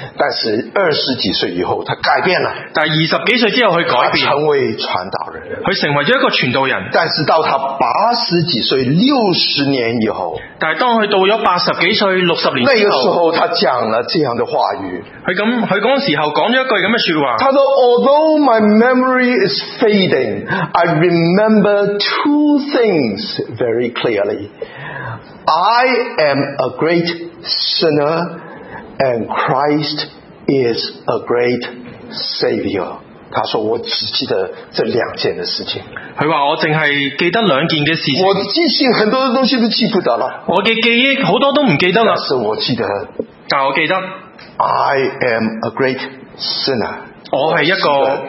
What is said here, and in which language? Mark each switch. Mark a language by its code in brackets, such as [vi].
[zh] 但是二十几岁以后他改变了，但二十几岁之后他改变，他成为传道人，他成为了一个传道人。但是到他八十几岁六十年以后，但是当他到了八十几岁六十年之后，那个时候他讲了这样的话语，他那时候讲了一句这样的说话，他说 [en] although my memory is fading I remember two things very clearly I am a great sinner and Christ is a great savior。 [zh] 他说我只记得这两件的事情，他说我只记得两件的事情，我的记性很多东西都记不得了，我的记忆很多都不记得了，但是我记得，但我记得 [en] I am a great sinner， [zh] 我是一个